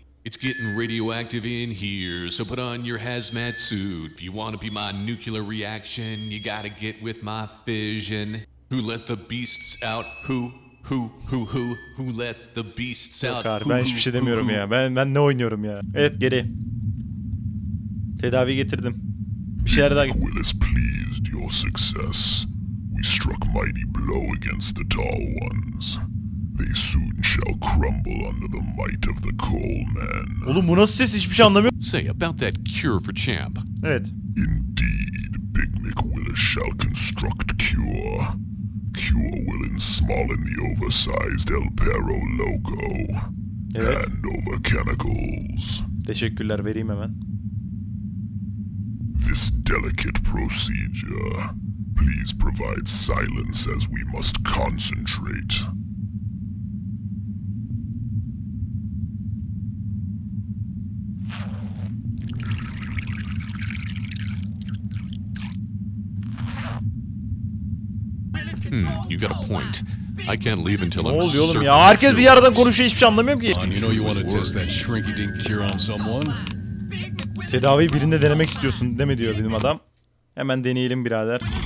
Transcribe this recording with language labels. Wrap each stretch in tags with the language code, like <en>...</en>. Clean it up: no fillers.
<en>It's getting radioactive in here, so put on your hazmat suit. If you want to be my nuclear reaction, you gotta get with my fission. Who let the beasts out? Who let the beasts out?</en> <tr>Yok abi, ben hiçbir şey demiyorum ya. Ben ne oynuyorum ya? Evet, geri. Tedavi getirdim. Bir şeyler daha getirdim.</tr> <en>Willis pleased your success. We struck mighty blow against the tall ones. They soon shall crumble under the might of the coal man.</en> <tr>Oğlum bu nasıl ses, hiçbir şey anlamıyorum.</tr> <en>Say about that cure for champ.</en> <tr>Evet.</tr> <en>Indeed, Big Mick Willis shall construct cure. Cure will ensmallen the oversized El Perro Loco.</en> <tr>Evet.</tr> <en>Hand over chemicals.</en> <tr>Teşekkürler, vereyim hemen.</tr> <en>This delicate procedure. Please provide silence as we must concentrate. You got a point. I can't leave until I'm certain.</en> <tr>Ne oluyor oğlum ya? Herkes bir yerden konuşuyor, hiçbir şey anlamıyorum ki.</tr> <en>You know you want to test that shrinky dink cure on someone?</en> <tr>Tedaviyi birinde denemek istiyorsun, değil mi diyor benim adam. Hemen deneyelim birader.</tr>